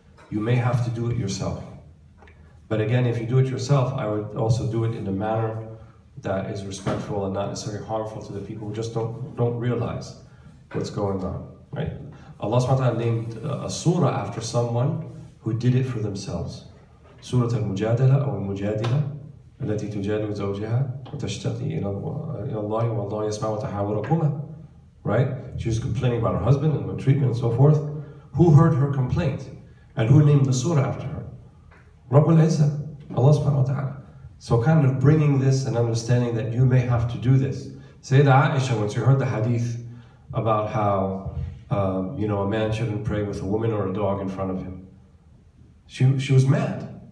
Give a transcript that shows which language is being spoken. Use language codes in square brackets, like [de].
[en] You may have to do it yourself. But again, if you do it yourself, I would also do it in a manner that is respectful and not necessarily harmful to the people who just don't realize what's going on, right? Allah subhanahu wa ta'ala named a surah after someone who did it for themselves. Surah al-Mujadila or al-Mujadila. [ar] التي تجادل زوجها وتشتكي إلى الله والله يسمع وتحاوركما, right? [en] She was complaining about her husband and the treatment and so forth. Who heard her complaint? And who named the surah after her? رب العزة, Allah subhanahu wa ta'ala. So kind of bringing this and understanding that you may have to do this. Sayyida Aisha, when she heard the hadith about how a man shouldn't pray with a woman or a dog in front of him, she was mad.